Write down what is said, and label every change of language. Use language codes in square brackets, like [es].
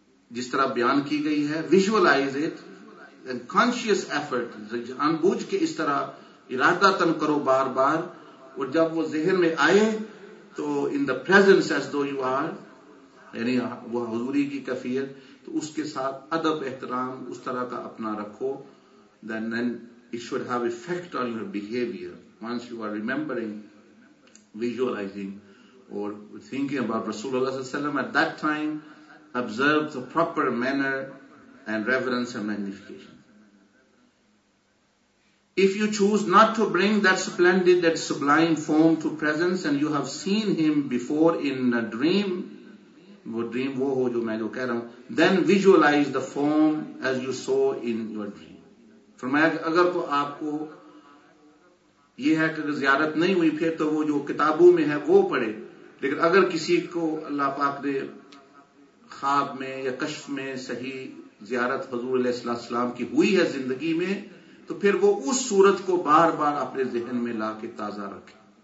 [hi] जिस तरह बयान की गई है, [en] visualise it and conscious effort, [hi] जानबूझ के इस तरह इरादा तन करो बार बार, और जब वो जहन में आए तो [en] in the presence as though you are, [hi] यानी वो हजूरी की कैफियत, तो उसके साथ अदब एहतराम उस तरह का अपना रखो, [en] Then it should have effect on your behaviour once you are remembering visualising और thinking about रसूलुल्लाह सल्लल्लाहु अलैहि वसल्लम at that time. Observe the proper manner and reverence and magnification. If you choose not to bring that splendid, that sublime form to presence, and you have seen him before in a dream, [hi] वो dream वो हो जो मैं जो कह रहा हूँ, [en] then visualize the form as you saw in your dream. [hi] फरमाया अगर तो आपको ये है कि अगर ज़ियारत नहीं हुई फिर तो वो जो किताबों में है वो पढ़े, लेकिन अगर किसी को अल्लाह पाक ने ख्वाब में या कश्फ में सही ज़ियारत हुज़ूर अलैहिस्सलातु वस्सलाम की हुई है जिंदगी में, तो फिर वो उस सूरत को बार बार अपने जहन में ला के ताजा रखे.